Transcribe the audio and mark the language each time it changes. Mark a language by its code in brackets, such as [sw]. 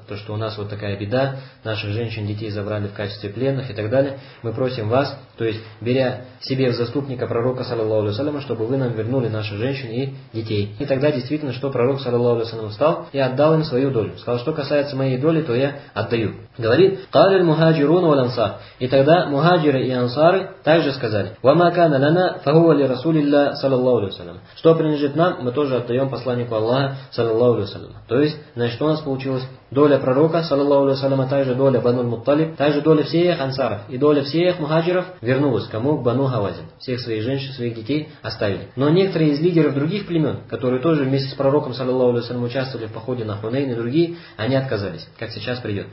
[ru] То, что у нас вот такая беда, наших женщин и детей забрали в качестве пленных и так далее. Мы просим вас, то есть, беря себе в заступника пророка, саллаллаху алейхи ва саллям, чтобы вы нам вернули наших женщин и детей. И тогда действительно, что пророк, саллаллаху алейхи ва саллям, встал и отдал им свою долю. Сказал, что касается моей моей доли, то я отдаю. Говорит, [ar] قَالِ الْمُهَاجِرُونَ وَالْأَنصَارِ. [ru] И тогда мухаджиры и ансары также сказали, [ar] وَمَا كَانَ لَنَا فَهُوَ لِرَسُولِ اللَّهِ صَلَى اللَّهُ عَلَيْهِ وَسَلَّمَ. [ru] Что принадлежит нам, мы тоже отдаем посланнику Аллаха, [ar] صلى الله عليه وسلم. [ru] То есть, значит, у нас получилось доля пророка, саллаллаху алейхи ва саллям, также доля Бану Мутталиб, также доля всех ансаров и доля всех мухаджиров вернулась кому? К Бану Хавазин. Всех своих женщин, своих детей оставили. Но некоторые из лидеров других племен, которые тоже вместе с пророком, саллаллаху алейхи ва саллям, участвовали в походе на Хунейн и другие, они отказались, как сейчас придет.